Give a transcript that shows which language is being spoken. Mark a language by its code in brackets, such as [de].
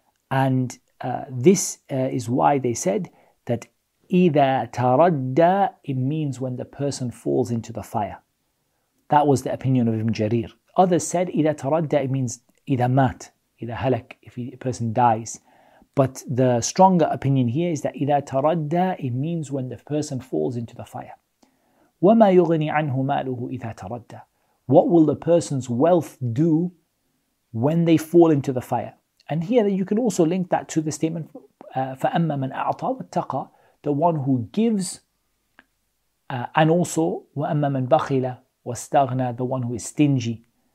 [en] And this is why they said that [ar] إِذَا تَرَدَّى, [en] it means when the person falls into the fire. That was the opinion of Ibn Jarir. Others said [ar] إِذَا تَرَدَّى, [en] it means [ar] إِذَا مَات, إِذَا هَلَك, [en] if a person dies. But the stronger opinion here is that [ar] إِذَا تَرَدَّى, [en] it means when the person falls into the fire. [ar] وَمَا يُغْنِي عَنْهُ مَالُهُ إِذَا تَرَدَّى. [en] What will the person's wealth do when they fall into the fire? And here you can also link that to the statement [ar] فَأَمَّا مَنْ أَعْطَى وَاتَّقَى, [en] the one who gives, and also [ar] وَأَمَّا مَنْ بَخِلَ وَاسْتَغْنَى, [en] the one who is stingy.